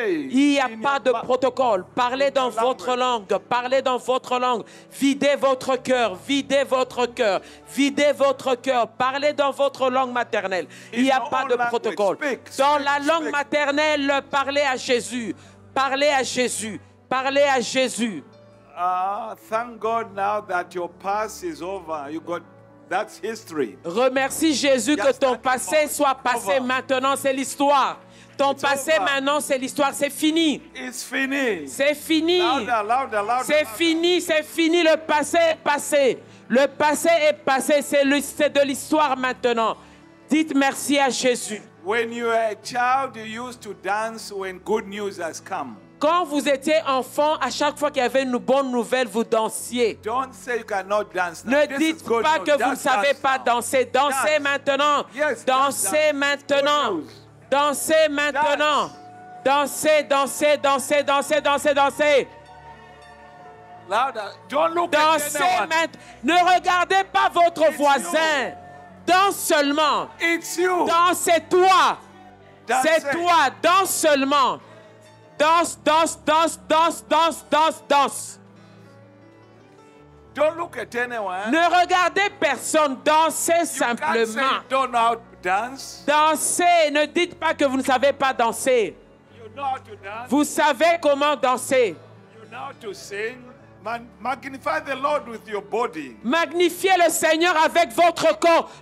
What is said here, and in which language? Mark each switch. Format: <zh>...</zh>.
<fr>Il n'y a pas de protocole. Parlez dans votre langue. Parlez dans votre langue. Videz votre cœur. Videz votre cœur. Videz votre cœur. Parlez dans votre langue maternelle. Il n'y a pas de protocole. Dans la langue maternelle, parlez à Jésus. Parlez à Jésus. Parlez à Jésus.</fr> <en>Thank God now that your past is over. You got that's history.</en> <fr>Remercie Jésus que ton passé soit passé maintenant, c'est l'histoire. Ton passé maintenant, c'est l'histoire, c'est fini.</fr> <en>It's fini.</en> <fr>C'est fini. C'est fini, c'est fini. Le passé est passé. Le passé est passé. C'est de l'histoire maintenant. Dites merci à Jésus.</fr> <en>When you were a child, you used to dance when good news has come.</en> <fr>Quand vous étiez enfant, à chaque fois qu'il y avait une bonne nouvelle, vous dansiez.</fr> <en>Don't say you cannot dance now.</en> <fr>Ne dites</fr> <en>good</en> <fr>pas</fr> <en>news.</en> <fr>Que vous ne savez pas danser. Dansez maintenant.</fr> <en>Yes,</en> <fr>dansez maintenant. Dansez maintenant. Dansez, dansez, dansez, dansez, dansez, dansez.</fr> <en>Don't look</en> <fr>dansez maintenant. Ne regardez pas votre</fr> <en>It's</en> <fr>voisin.</fr> <en>You.</en> <fr>Danse seulement. Dansez toi. C'est toi. Danse seulement. Danse, danse, danse, danse, danse, danse, danse.</fr> <en>Don't look at anyone.</en> <fr>Ne regardez personne, dansez</fr> <en>you</en> <fr>simplement.</fr> <en>Can't say you don't know how to dance.</en> <fr>Dansez, ne dites pas que vous ne savez pas danser.</fr> <en>You know how to dance.</en> <fr>Vous savez comment danser.</fr> <en>You know how to sing. Magnify the Lord with your body.</en> <fr>Magnifiez le Seigneur avec votre corps.</fr>